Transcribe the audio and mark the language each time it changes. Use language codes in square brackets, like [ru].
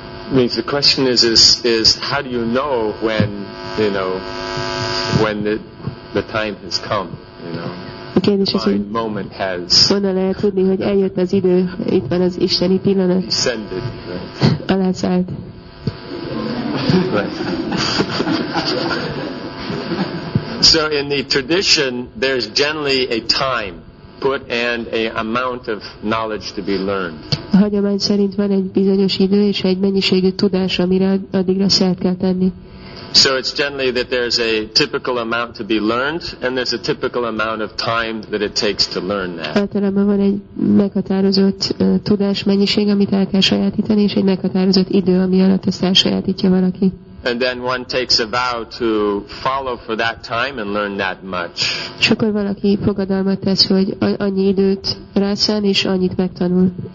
[en] I mean, the question is how do you know when, you know, when the time has come, you know? [hu] A kérdés az, hogy [en] moment has. [hu] Honnan lehet tudni, hogy eljött az idő, itt van az isteni pillanat. [en] Descended, right. [hu] Alászállt. [en] Right. So in the tradition, there's generally a time put and a amount of knowledge to be learned. [hu] A hagyomány szerint van egy bizonyos idő és egy mennyiségű tudás, amire addigra szert kell tenni. [en] So it's generally that there's a typical amount to be learned, and there's a typical amount of time that it takes to learn that. [hu] Általában van egy meghatározott tudás mennyiség, amit el kell sajátítani, és egy meghatározott idő, ami alatt ezt elsajátítja valaki. [en] And then one takes a vow to follow for that time and learn that much. [hu] És akkor valaki fogadalmat tesz, hogy annyi időt rászán és annyit megtanul.